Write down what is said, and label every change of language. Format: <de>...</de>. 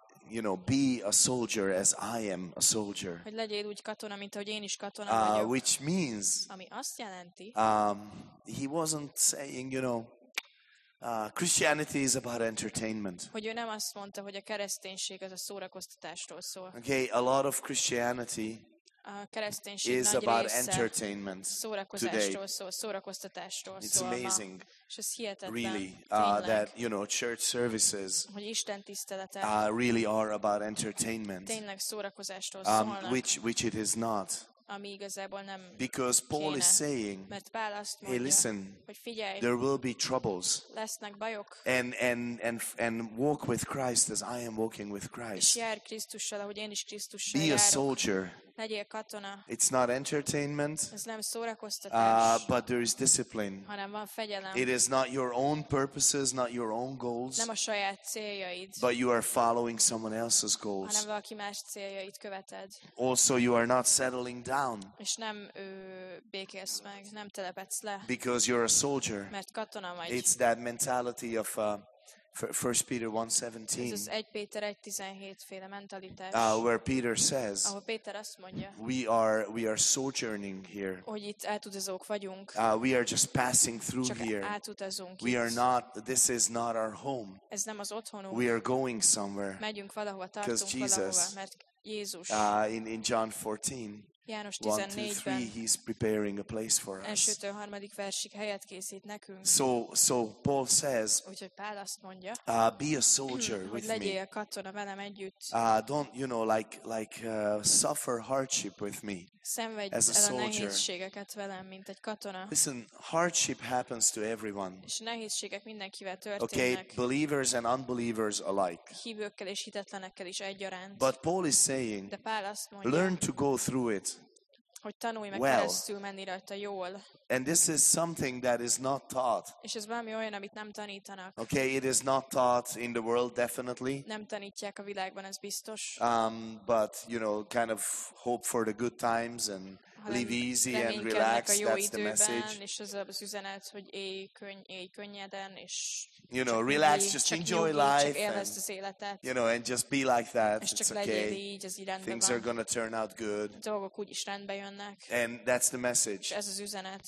<en>You know, be a soldier as I am a soldier.</en> <hu>Hogy legyél úgy katona, mint ahogy én is katona vagyok.</hu> <en>Which means,</en> <hu>ami azt jelenti,</hu> <en>he wasn't saying, you know, Christianity is about entertainment.</en> <hu>Hogy ő nem azt mondta, hogy a kereszténység az a szórakoztatásról szól.</hu> <en>Okay, a lot of Christianity is about entertainment.</en> <hu>Szórakozásról szól, szórakoztatásról szól.</hu> <en>It's amazing.</en> <hu>És ez hihetetlen.</hu> <en>Really, that, you know, church services,</en> <hu>hogy Isten tiszteletek,</hu> <en>really are about entertainment.</en> <hu>Tényleg szórakozásról szólnak.</hu> <en>Which it is not.</en> <hu>Ami igazából nem.</hu> <en>Because Paul</en> <hu>kéne,</hu> <en>is saying,</en> <hu>mert Pál azt mondja,</hu> <en>hey, listen,</en> <hu>hogy figyelj,</hu> <en>there will be troubles.</en> <hu>Lesznek bajok.</hu> <en>And walk with Christ as I am walking with Christ.</en> <hu>És jár Krisztussal, ahogy én is Krisztussal be járok.</hu> <en>A soldier.</en> <hu>Legyél katona.</hu> <en>It's not entertainment.</en> <hu>Ez nem szórakoztatás.</hu> <en>But there is discipline.</en> <hu>Hanem van fegyelem.</hu> <en>It is not your own purposes, not your own goals.</en> <hu>Nem a saját céljaid.</hu> <en>But you are following someone else's goals.</en> <hu>Hanem valaki más céljait követed.</hu> <en>Also, you are not settling down.</en> <hu>És nem békélsz meg, nem telepedsz le.</hu> <en>Because you're a soldier.</en> <hu>Mert katona vagy.</hu> <en>It's that mentality of 1 Peter 1:17.</en> <hu>Ez az 1 Péter 1:17 féle mentalitás.</hu> <en>Where Peter says.</en> <hu>Ahol Péter azt mondja.</hu> <en>We are sojourning here.</en> <hu>Hogy itt átutazók vagyunk.</hu> <en>We are just passing through here.</en> <hu>Csak átutazunk.</hu> <en>We are not. This is not our home.</en> <hu>Ez nem az otthonunk.</hu> <en>We are going somewhere.</en> <hu>Megyünk valahova, tartunk valahova, mert Jézus.</hu> <en>In John 14.</en> <hu>János 14-ben.</hu> <en>He's preparing a place for us.</en> <hu>Elsőtől harmadik versig helyet készít nekünk.</hu> <en>So Paul says.</en> <hu>Úgyhogy Pál azt mondja.</hu> <en>Be a soldier with me.</en> <hu>Hogy legyél katona velem együtt.</hu> <en>Don't, you know, like suffer hardship with me.</en> <hu>Szenvedj el a nehézségeket velem, mint egy katona.</hu> <en>Listen, hardship happens to everyone.</en> <hu>És nehézségek mindenkivel történnek.</hu> <en>Okay, believers and unbelievers alike.</en> <hu>Hívőkkel és hitetlenekkel is egyaránt.</hu> <en>But Paul is saying.</en> <hu>De Pál azt mondja.</hu> <en>Learn to go through it.</en> <hu>hogy tanulj meg well. Keresztül menni rajta jól.</hu> <en>And this is something that is not taught.</en> <hu>És ez valami olyan, amit nem tanítanak.</hu> <en>Okay, it is not taught in the world, definitely.</en> <hu>Nem tanítják a világban, ez biztos.</hu> <en>But you know, kind of hope for the good times and live easy and relax. That's the message.</en> <hu>És ez az üzenet, hogy élj könnyeden és.</hu> <en>You know, relax, just enjoy life.</en> <hu>Csak élvezd az életet.</hu> <en>You know, and just be like that.</en> <hu>És csak legyél így, ez irányba.</hu> <en>Things are gonna turn out good.</en> <hu>Dolgok úgyis rendbe jönnek.</hu> <en>And that's the message.</en> <hu>Ez az üzenet.</hu>